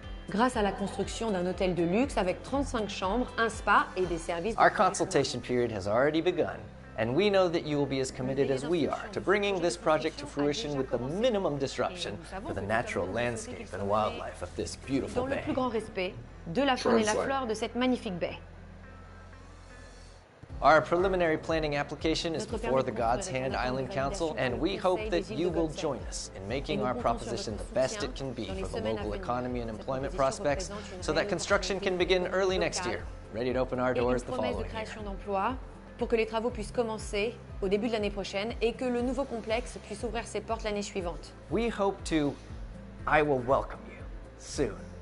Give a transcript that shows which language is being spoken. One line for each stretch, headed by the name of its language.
French: Grâce à la construction d'un hôtel de luxe avec 35 chambres, un spa et des services...
English: Our consultation period has already begun, and we know that you will be as committed as we are to bringing this project to fruition with the minimum disruption for the natural landscape and wildlife of this beautiful bay.
French: Dans le plus grand respect de la faune et la flore de cette magnifique baie.
English: Our preliminary planning application is before the God's Hand Island Council, and we hope that you will join us in making our proposition the best it can be for the local economy and employment prospects, so that construction can begin early next year, ready to open our doors the following year.
French: Pour que les travaux puissent commencer au début de l'année prochaine et que le nouveau complexe puisse ouvrir ses portes l'année suivante.
English: We hope to, I will welcome you soon.